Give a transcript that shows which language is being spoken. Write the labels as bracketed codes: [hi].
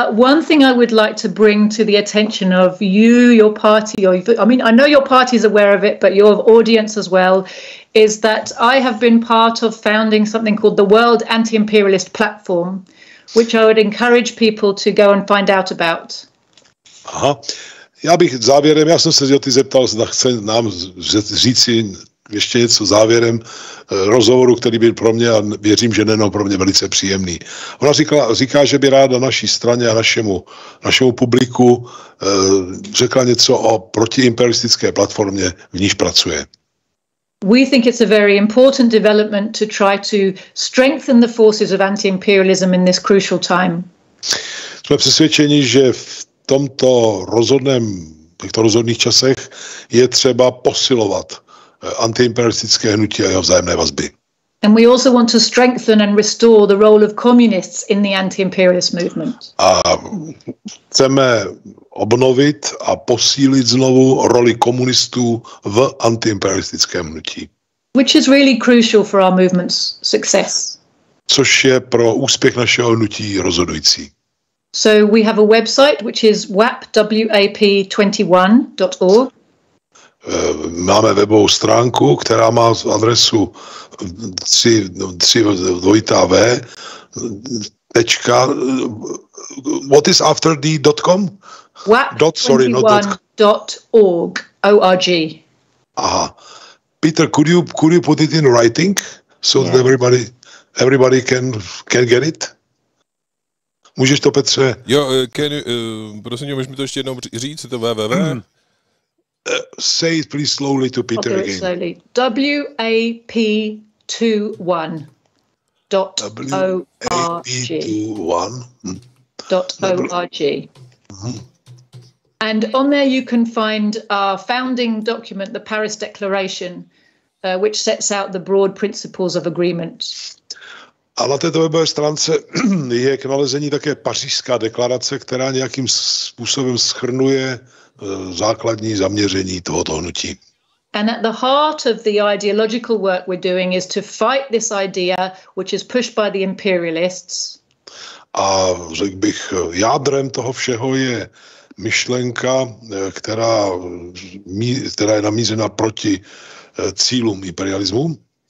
[en] One thing I would like to bring to the attention of you, your party, or I mean, I know your party is aware of it, but your audience as well, is that I have been part of founding something called the World Anti-Imperialist Platform, which I would encourage people to go and find out about. Aha. [cs] Já bych závěrem, já jsem se Joty zeptal, zda chce nám říci ještě něco závěrem rozhovoru, který byl pro mě, a věřím, že nejenom pro mě, velice příjemný. Ona říká, že by ráda naší straně a našemu publiku řekla něco o protiimperialistické platformě, v níž pracuje. [en] We think it's a very important development to try to strengthen the forces of anti-imperialism in this crucial time. [cs] Jsme přesvědčeni, že v tomto rozhodných časech je třeba posilovat antiimperialistické hnutí a jeho vzájemné vazby. [en] And we also want to strengthen and restore the role of communists in the anti-imperialist movement. [cs] A chceme obnovit a posílit znovu roli komunistů v antiimperialistickém hnutí. [en] Which is really crucial for our movement's success. [cs] Což je pro úspěch našeho hnutí rozhodující. [en] So we have a website which is wap21.org. [cs] Máme webovou stránku, která má adresu 3W. [en] What is after the .com? wap21.org. O-R-G. Aha. Peter, could you put it in writing so yeah, that everybody can get it? [cs] Můžeš to, Petře? Jo, prosím tě, můžeš mi to ještě jednou říct, to www? [en] Say it please slowly to Peter again. Slowly. wap21.org. And on there you can find our founding document, the Paris Declaration, which sets out the broad principles of agreement. [cs] A na této webové stránce je k nalezení také pařížská deklarace, která nějakým způsobem shrnuje základní zaměření tohoto hnutí. [en] And at the heart of the ideological work we're doing is to fight this idea which is pushed by the imperialists. [cs] A řekl bych, jádrem toho všeho je myšlenka, která je namířena proti cílům imperialismu.